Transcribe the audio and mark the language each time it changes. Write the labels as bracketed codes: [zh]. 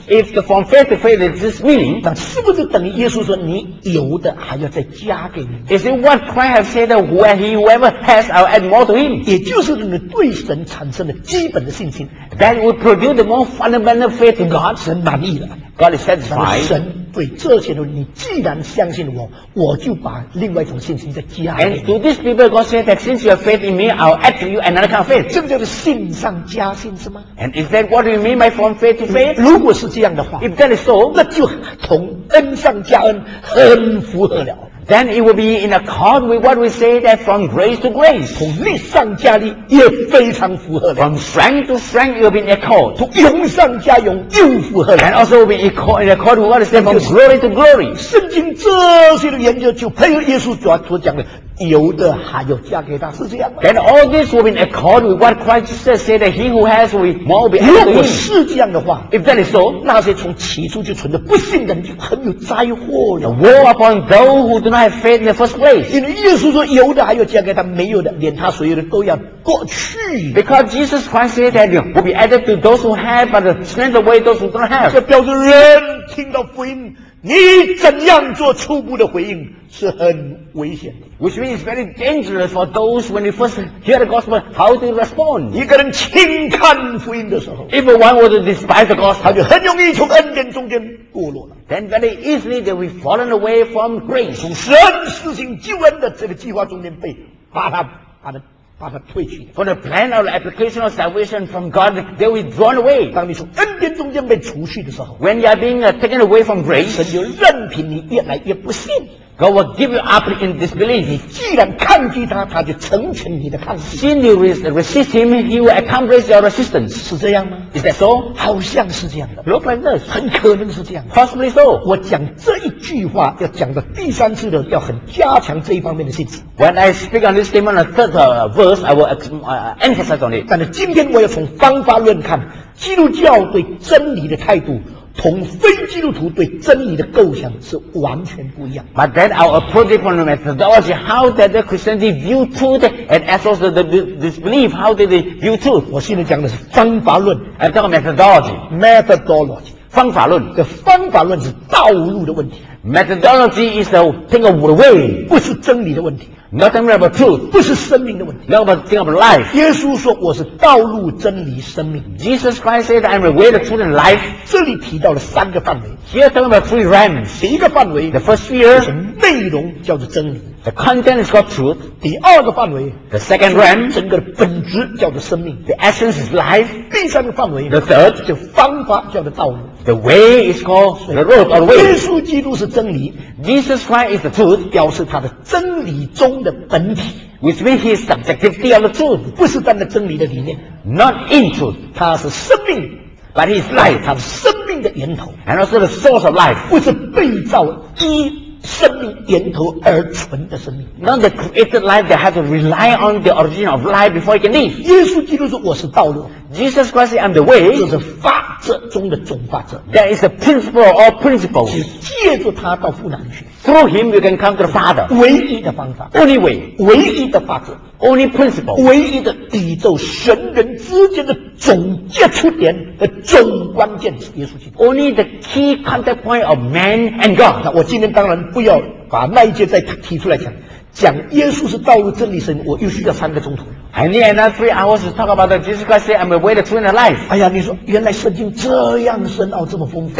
[en] if the from faith to faith is this meaning, [zh] 那是不是等于耶稣说你有的还要再加给你？ [en] Is it what Christ has said that whoever has, I'll add more to him? [zh] 也就是你对神产生了基本的信心， [en] that will produce the more fundamental faith to God. [zh] 神满意了。 [en] God is satisfied. [zh] 神对这些人，你既然相信我，我就把另外一种信心再加给你。 [en] And to these people, God said that since you have faith in me, I'll add to you another kind of faith. [zh] 这个叫做信上加信，是吗？ [en] And is that what you mean by from faith to faith? [zh] 如果是这样的话， [en] if that is so, [zh] 那就同恩上加恩很符合了。 [en] Then it will be in accord with what we say that from grace to grace. [zh] 从力上加力也非常符合的。 [en] From strength to strength, it will be in accord. [zh] 从勇上加勇又符合的。 [en] And also will be in accord with what we say from glory to glory. [zh] 圣经这些的研究就配合耶稣所讲的，有的还要加给他，是这样吗？ [en] Then all this will be in accord with what Christ said, say that he who has will be more be added to him. [zh] 如果是这样的话， [en] if that is so, [zh] 那些从起初就存着不信的人就很有灾祸了。 [en] The war upon those who do not have faith in the first place. [zh] 因为耶稣说有的还要加给他，没有的连他所有的都要过去。 [en] Because Jesus Christ said that will be added to those who have, but send away those who don't have. [zh] 这表示人听到福音，你怎样做初步的回应是很危险的。 [en] Which means it's very dangerous for those when you first hear the gospel, how do you respond? [zh] 一个人轻看福音的时候， [en] if one were to despise the gospel, [zh] 他就很容易从恩典中间堕落了。 [en] Then very easily they will be fallen away from grace. [zh] 从神施行救恩的这个计划中间被把他退去。 [en] From the plan or the application of salvation from God, they will be drawn away. [zh] 当你从恩典中间被除去的时候， [en] when you are being taken away from grace, [zh] 神就任凭你越来越不信。 [en] God will give you up in disbelief. [zh] 你既然抗拒他，他就成全你的抗拒。 [en] Since you resist him, he will accomplish your resistance. [zh] 是这样吗？ [en] Is that so? [zh] 好像是这样的。 [en] Look like this. [zh] 很可能是这样的。 [en] Possibly so. [zh] 我讲这一句话，要讲到第三次的，要很加强这一方面的信心。 [en] When I speak on this statement, the third verse, I will emphasize on it. [zh] 但是今天我要从方法论看，基督教对真理的态度同非基督徒对真理的构想是完全不一样。 [en] But then I'll approach it from the methodology. How did the Christianity view truth and as also the disbelief? How did they view truth? [zh] 我现在讲的是方法论。 [en] I'm talking methodology. Methodology. [zh] 方法论。这方法论是道路的问题。 [en] Methodology is the thing of the way. [zh] 不是真理的问题。 [en] Nothing about truth. [zh] 不是生命的问题。 [en] Not about thing of life. [zh] 耶稣说我是道路真理生命。 [en] Jesus Christ said I'm the way, the truth and life. [zh] 这里提到了三个范围。 [en] Here talking about three realms. [zh] 第一个范围。 [en] The first sphere. [zh] 是内容叫做真理。 [en] The content is called truth. [zh] 第二个范围。 [en] The second realm. [zh] 整个的本质叫做生命。 [en] The essence is life. [zh] 第三个范围。 [en] The third. [zh] 就方法叫做道路。 [en] The way is called the road or the way. [zh] 耶稣基督是真理。 [en] Jesus Christ is the truth. [zh] 表示他的真理中的本体。 [en] Which means his subjectivity of the truth. [zh] 不是单单真理的理念。 [en] Not in truth. [zh] 他是生命。 [en] But he is life. [zh] 他是生命的源头。 [en] And also the source of life. [zh] 不是被造一生命源头而存的生命。 [en] Not the created life that has to rely on the origin of life before it can live. [zh] 耶稣基督说我是道路。 [en] Jesus Christ said, I'm the way. [zh] 就是法则中的总法则。 [en] That is the principle of all principles. [zh] 是借着他到父那里去。 [en] Through him you can come to the Father. [zh] 唯一的方法。 [en] Only way. [zh] 唯一的法则。 [en] Only principle. [zh] 唯一的宇宙神人之间的总接触点的总关键是耶稣基督。 [en] Only the key contact point of man and God. [zh] 那我今天当然不要把那一节再提出来讲。讲耶稣是道路真理神，我又需要三个钟头。 [en] I need another 3 hours to talk about the Jesus Christ say I'm the way, the truth, and the life. [zh] 哎呀，你说原来圣经这样深奥，这么丰富。